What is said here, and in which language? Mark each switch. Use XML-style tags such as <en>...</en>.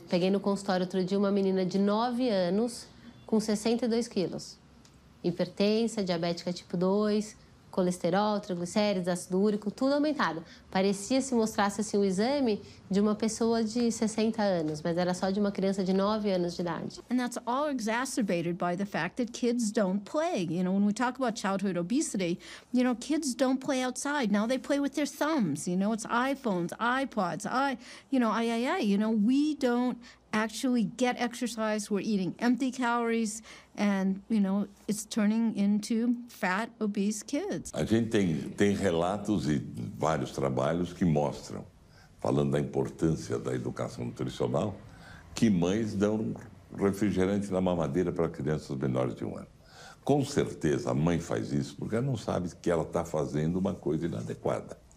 <pt>Peguei no consultório outro dia uma menina de 9 anos com 62 quilos. Hipertensa, diabética tipo 2, colesterol, triglicérides, ácido úrico, tudo aumentado. Parecia se mostrasse assim, um exame de uma pessoa de 60 anos, mas era só de uma criança de 9 anos de idade.</pt> <en>And that's all exacerbated by the fact that kids don't play. You know, when we talk about childhood obesity, you know, kids don't play outside. Now they play with their thumbs, you know, it's iPhones, iPods, you know, we don't actually get exercise, we're eating empty calories, and, you know, it's turning into fat, obese kids.</en> <pt>A gente tem relatos e vários trabalhos que mostram, falando da importância da educação nutricional, que mães dão refrigerante na mamadeira para crianças menores de um ano. Com certeza a mãe faz isso porque ela não sabe que ela está fazendo uma coisa inadequada.</pt>